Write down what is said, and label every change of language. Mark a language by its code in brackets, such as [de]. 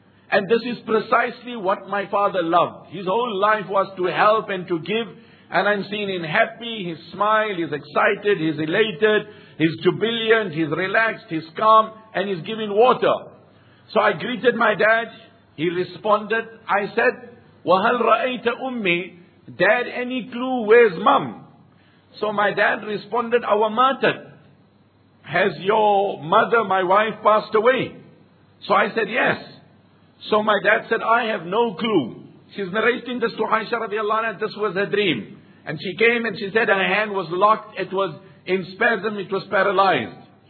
[en] And this is precisely what my father loved. His whole life was to help and to give. And I'm seeing him happy, his smile, he's excited, he's elated, he's jubilant, he's relaxed, he's calm, and he's giving water. So I greeted my dad. He responded. I said, [ar] وَهَلْ رَأَيْتَ أُمِّي? [en] Dad, any clue? Where's mom? So my dad responded, [ar] أَوَمَاتَتْ. [en] Has your mother, my wife, passed away? So I said, yes. So my dad said, I have no clue. She's narrating this to Aisha radiallahu anha, this was her dream. And she came and she said her hand was locked, it was in spasm, it was paralyzed.